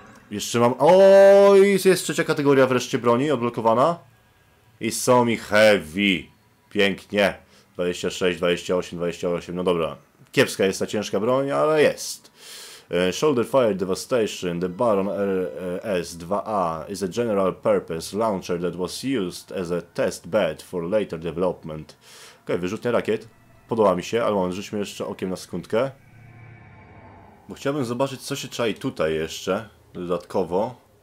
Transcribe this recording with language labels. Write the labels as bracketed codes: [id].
[pl] Jeszcze mam... Oj, jest trzecia kategoria wreszcie broni odblokowana. I są mi heavy. Pięknie. 26, 28, 28. No dobra. Kiepska jest ta ciężka broń, ale jest. [en] Shoulder Fire Devastation, the Baron RS-2A is a general purpose launcher that was used as a test bed for later development. [pl] Ok, wyrzutnia rakiet. Podoba mi się, ale moment, rzućmy jeszcze okiem na sekundkę. Bo chciałbym zobaczyć, co się czai tutaj jeszcze, dodatkowo.